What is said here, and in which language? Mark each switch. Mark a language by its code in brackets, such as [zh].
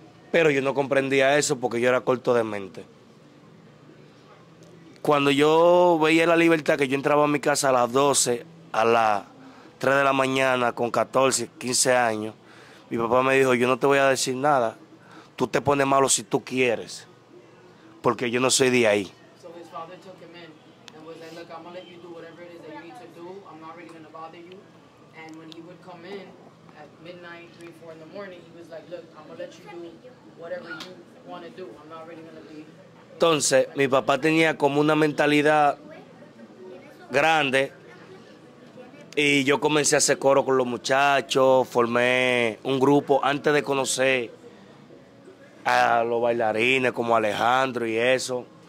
[es] Pero yo no comprendía eso porque yo era corto de mente. Cuando yo veía la libertad, que yo entraba a mi casa a las 12, a las 3 de la mañana con 14, 15 años, mi papá me dijo, yo no te voy a decir nada. Tú te pones malo si tú quieres. Porque yo no soy de ahí. [en] So his father took him in and was like, look, I'm going to let you do whatever it is that you need to do. I'm not really going to bother you. And when he would come in at midnight, 3, 4 in the morning, he was like, look, I'm going to let you do whatever you want to do. I'm not really going to be... [es] Entonces, mi papá tenía como una mentalidad grande. Y yo comencé a hacer coro con los muchachos, formé un grupo antes de conocer a los bailarines como Alejandro y eso.